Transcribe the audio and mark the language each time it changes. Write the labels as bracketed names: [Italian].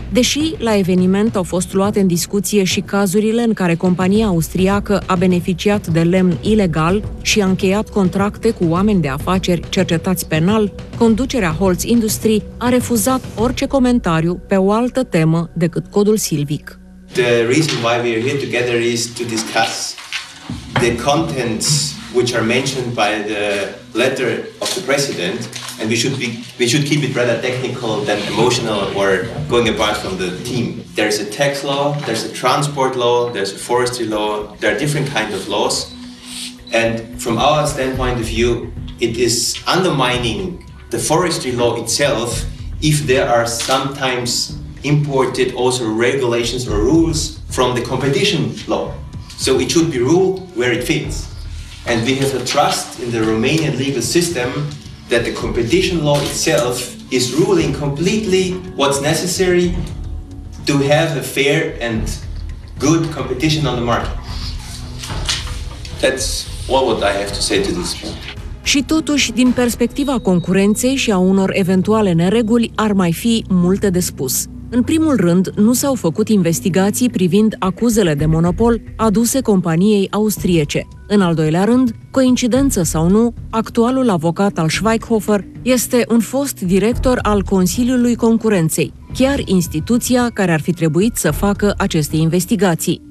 [Romanian] Deși la eveniment au fost luate în discuție și cazurile în care compania austriacă a beneficiat de lemn ilegal și a încheiat contracte cu oameni de afaceri cercetați penal, conducerea Holz Industrie a refuzat orice comentariu pe o altă temă decât codul silvic. [English] The reason why we are here together is to discuss the contents which are mentioned by the letter of the president, and we should keep it rather technical than emotional or going apart from the team. There's a tax law, there's a transport law, there's a forestry law, there are different kinds of laws, and from our standpoint of view, it is undermining the forestry law itself if there are sometimes imported also regulations or rules from the competition law. So it should be ruled where it fits. And we have a trust in the Romanian legal system that the competition law itself is ruling completely what's necessary to have a fair and good competition on the market. That's all what I have to say to this point. [Romanian] Și totuși, din perspectiva concurenței și a unor eventuale nereguli, ar mai fi multe de spus. În primul rând, nu s-au făcut investigații privind acuzele de monopol aduse companiei austriece. În al doilea rând, coincidență sau nu, actualul avocat al Schweighofer este un fost director al Consiliului Concurenței, chiar instituția care ar fi trebuit să facă aceste investigații.